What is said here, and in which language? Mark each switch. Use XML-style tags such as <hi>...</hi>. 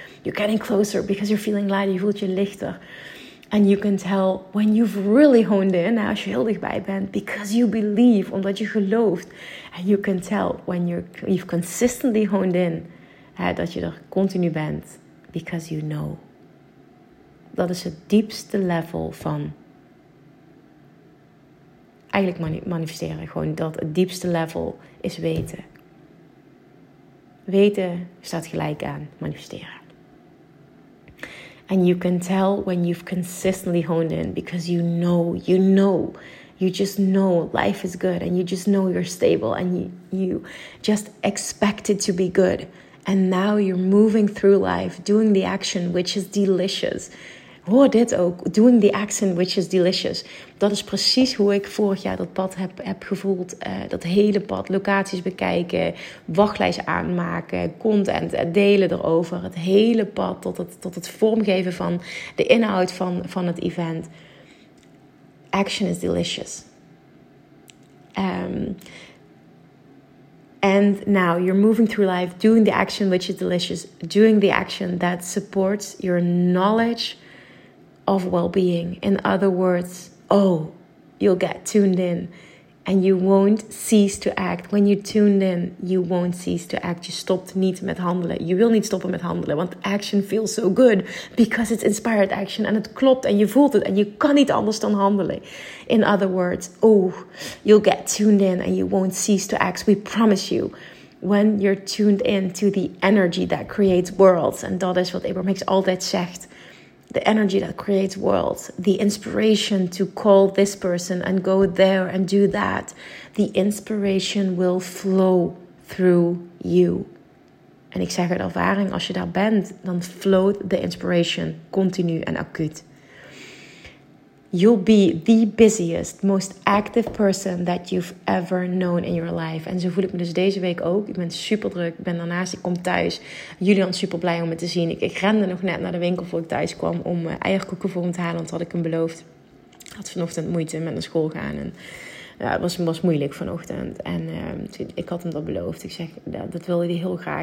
<en>You're getting closer, because you're feeling lighter,</en> <nl>je voelt je lichter.</nl> <en>And you can tell when you've really honed in,</en> <nl>als je heel dichtbij bent,</nl> <en>because you believe,</en> <nl>omdat je gelooft.</nl> <en>And you can tell when you've consistently honed in,</en> <nl>dat je er continu bent,</nl> <en>because you know.</en> <nl>Dat is het diepste level van, eigenlijk manifesteren, gewoon dat het diepste level is weten. Weten staat gelijk aan manifesteren.</nl> <en>And you can tell when you've consistently honed in, because you know, you just know life is good and you just know you're stable and you just expect it to be good. And now you're moving through life, doing the action which is delicious.</en> <nl>Hoor dit ook,</nl> <en>doing the action which is delicious.</en> <nl>Dat is precies hoe ik vorig jaar dat pad heb gevoeld. Dat hele pad, locaties bekijken, wachtlijst aanmaken, content delen erover. Het hele pad tot het vormgeven van de inhoud van het event.</nl> <en>Action is delicious. And now you're moving through life, doing the action which is delicious. Doing the action that supports your knowledge of well-being. In other words, oh, you'll get tuned in and you won't cease to act. When you tuned in, you won't cease to act.</en> <nl>Je stopt niet met handelen. Je wil niet stoppen met handelen, want</nl> <en>action feels so good because it's inspired action</en> <nl>en het klopt en je voelt het en je kan niet anders dan handelen.</nl> <en>In other words, oh, you'll get tuned in and you won't cease to act. We promise you. When you're tuned in to the energy that creates worlds, and</en> <nl>dat is wat Abraham Hicks altijd zegt.</nl> <en>The energy that creates worlds. The inspiration to call this person and go there and do that. The inspiration will flow through you.</en> <nl>En ik zeg uit ervaring, als je daar bent, dan flowt</nl> <en>the inspiration</en> <nl>continu en acuut.</nl> <en>You'll be the busiest, most active person that you've ever known in your life.</en> <nl>En zo voel ik me dus deze week ook. Ik ben super druk. Ik ben daarnaast. Ik kom thuis. Julian super blij om me te zien. Ik rende nog net naar de winkel voor ik thuis kwam om eierkoeken voor hem te halen. Want had ik hem beloofd. Ik had vanochtend moeite met naar school gaan. En ja, het was moeilijk vanochtend. En ik had hem dat beloofd. Ik zeg, dat wilde hij heel graag.</nl>